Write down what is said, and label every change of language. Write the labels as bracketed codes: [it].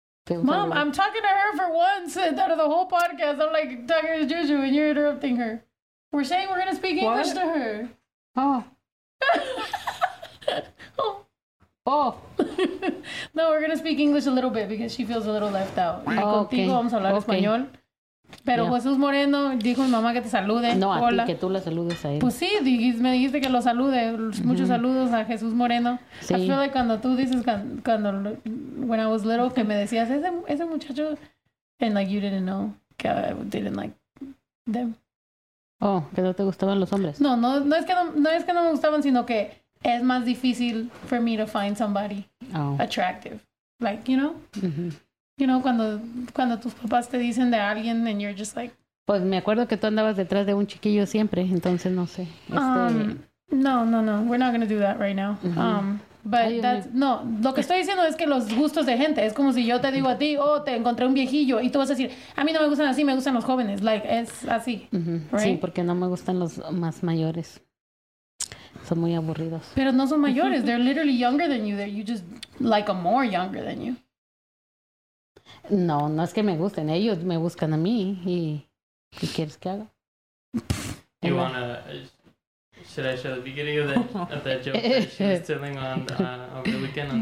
[en] Mom, I'm talking to her for once out of the whole podcast. I'm like talking to Juju and you're interrupting her. We're saying we're going to speak what? English to her. Oh. Oh. No, we're going to speak English a little bit because she feels a little left out. Oh, okay. [es] Contigo vamos a hablar español. Pero yeah. Jesús Moreno dijo a mi mamá que te salude. No, hola. A ti, que tú la saludes a él. Pues sí, me dijiste que lo salude. Muchos saludos a Jesús Moreno. Sí. [en] I feel like [es] cuando tú dices, cuando, [en] when I was little, [es] que me decías, ese muchacho, [en] and like you didn't know, que I didn't like them. [es] Oh, que no te gustaban los hombres. No, no es que no me gustaban, sino que es más difícil [en] for me to find somebody attractive. [es] Like, you know? Mm-hmm. You know, cuando tus papás te dicen de alguien [en] and you're just like... [es] Pues me acuerdo que tú andabas detrás de un chiquillo siempre, entonces no sé. No. [en] We're not going to do that right now. Mm-hmm. [es] Lo que estoy diciendo es que los gustos de gente, es como si yo te digo a ti, oh, te encontré un viejillo, y tú vas a decir, a mí no me gustan así, me gustan los jóvenes. Like, es así, right? Sí, porque no me gustan los más mayores. Son muy aburridos. Pero no son mayores, [en] they're literally younger than you. You just like them more younger than you. [es] No, no es que me gusten. Ellos me buscan a mí. ¿Y qué quieres que haga? [en] Should I show the beginning of that joke that she was telling on over the weekend on